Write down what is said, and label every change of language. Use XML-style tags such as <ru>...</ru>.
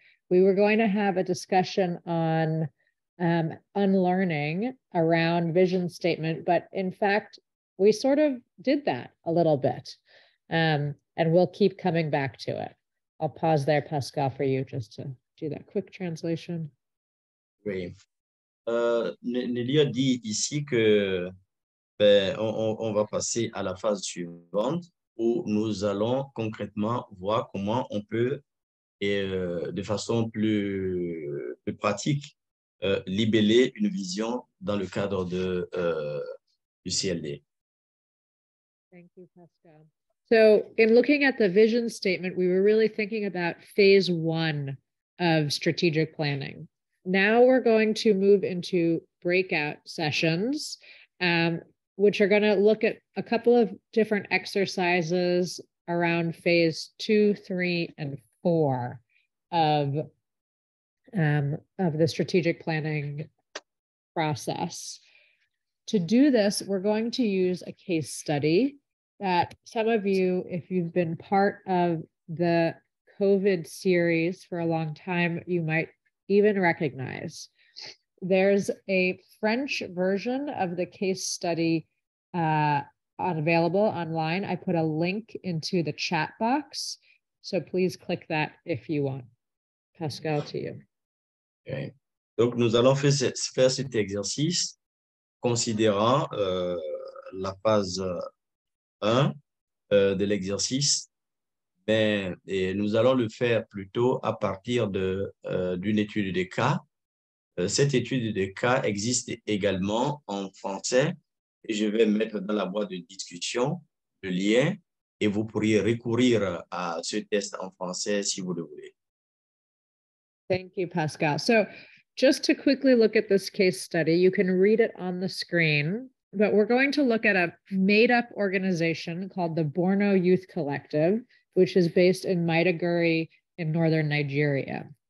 <en>We were going to have a discussion on unlearning around vision statement, but in fact, we sort of did that a little bit, and we'll keep coming back to it. I'll pause there, Pascal, for you just to do that quick translation. Great.</en> <fr>Nelly a dit ici que ben, on va passer à la phase suivante où nous allons concrètement voir comment on peut, de façon plus pratique, libeller une vision dans le cadre de, du CLD.</fr> <en>Thank you, Pascal. So in looking at the vision statement, we were really thinking about phase one of strategic planning. Now we're going to move into breakout sessions, which are going to look at a couple of different exercises around phase two, three, and four of the strategic planning process. To do this, we're going to use a case study that some of you, if you've been part of the COVID series for a long time, you might even recognize. There's a French version of the case study available online. I put a link into the chat box, so please click that if you want. Pascal, to you. Okay.</en> <fr>Donc, nous allons faire cet exercice considérant la phase 1 de l'exercice, et nous allons le faire plutôt à partir d'une étude de cas. Cette étude de cas existe également en français. Je vais mettre dans la boîte de discussion le lien et vous pourriez recourir à ce test en français si vous le voulez.</fr> <en>Thank you, Pascal. So just to quickly look at this case study, you can read it on the screen, but we're going to look at a made-up organization called the Borno Youth Collective, which is based in Maiduguri in northern Nigeria.</en>